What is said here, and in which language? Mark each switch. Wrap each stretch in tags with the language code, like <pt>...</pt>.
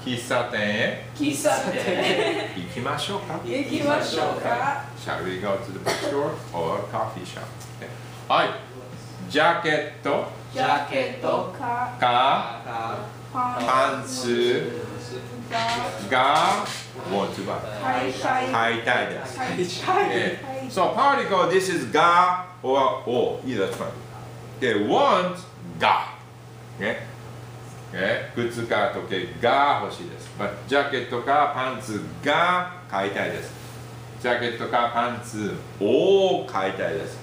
<ja>喫茶店へ行きましょうか行きましょうか</ja> <en>Shall we go to the bookstore or coffee shop?、Okay.</en> <ja>はい、ジャケットかパンツがもう一番買いたいです買いたい</ja> <en>So particle, this is が or お either one They、okay. want が、okay.</en> <ja>靴か時計が欲しいです。ジャケットかパンツが買いたいです。ジャケットかパンツを買いたいです。</ja>